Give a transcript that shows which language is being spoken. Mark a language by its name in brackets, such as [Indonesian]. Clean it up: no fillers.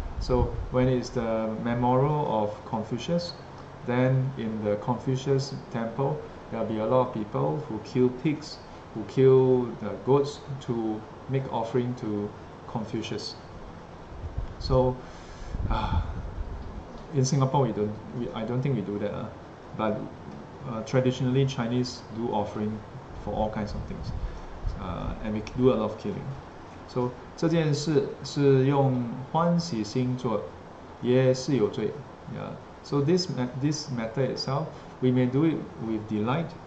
[English] So when it's the memorial of Confucius, then in the Confucius temple, there'll be a lot of people who kill pigs, who kill the goats to make offering to Confucius. So, in Singapore, I don't think we do that. But traditionally, Chinese do offering for all kinds of things, and we do a lot of killing. [Chinese] So 这件事是用欢喜心做，也是有罪。 Yeah. [English] So this matter itself, we may do it with delight.